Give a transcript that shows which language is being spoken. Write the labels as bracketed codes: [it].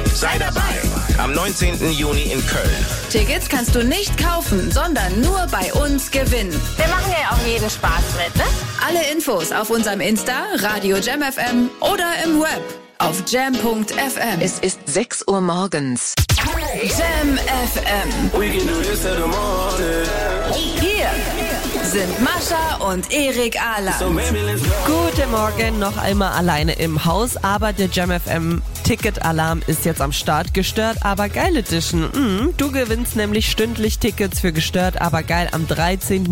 [de] Sei dabei am 19. Juni in Köln. Tickets kannst du nicht kaufen, sondern nur bei uns gewinnen. Wir machen ja auch jeden Spaß mit, ne? Alle Infos auf unserem Insta, Radio Jam FM oder im Web auf jam.fm. Es ist 6 Uhr morgens. Jam FM. [en] We can do this in the morning. [de] Hier sind Mascha und Erik Ahlan. So guten Morgen, noch einmal alleine im Haus, aber der Jam FM Ticket-Alarm ist jetzt am Start. Gestört, aber geil Edition. Du gewinnst nämlich stündlich Tickets für Gestört, aber geil am 13.